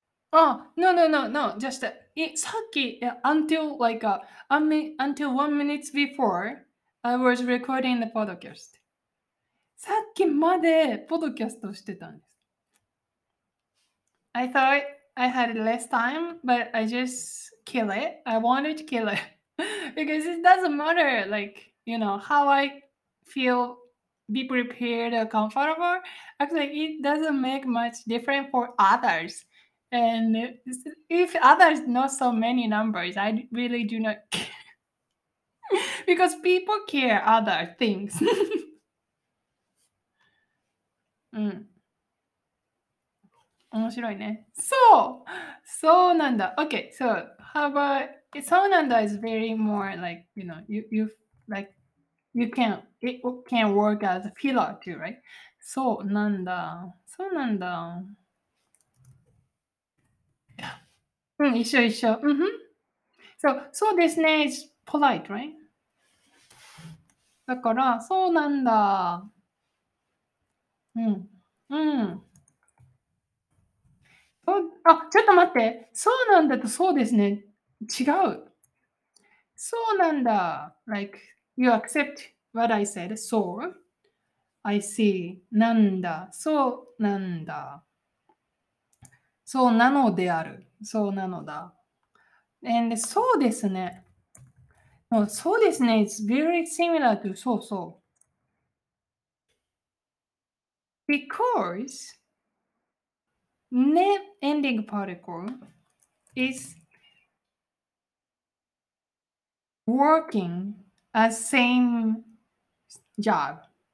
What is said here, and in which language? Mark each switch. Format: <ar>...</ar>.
<en>No, no, no, no. Just saki, until like until 1 minute before I was recording the podcast. さっきまでポッドキャストしてたんです。 I thought I had less time, but I just kill it. I wanted to kill it. Because it doesn't matter, like, you know, how I feel, be prepared or comfortable. Actually, it doesn't make much difference for others. And if others know so many numbers, I really do not care. Because people care other things.</en> <ja>うん、面白いね。そう、そうなんだ。</ja> <en>Okay, so how about そうなんだ is very more like you know you like you can it can work as a filler too, right?</en> <ja>そうなんだ、そうなんだ。うん、一緒一緒。</ja> <en>うん、そう、そうですね is polite, right?</en> <ja>だからそうなんだ。うん、うん、あ、ちょっと待って、そうなんだとそうですね違う。</ja> <en>そうなんだ like you accept what I said, so I see なんだ、そうなんだ、そうなのである、そうなのだ。 And そうですね、no, そうですね it's very similar to そうそう、because net ending particle is working as same job.</en>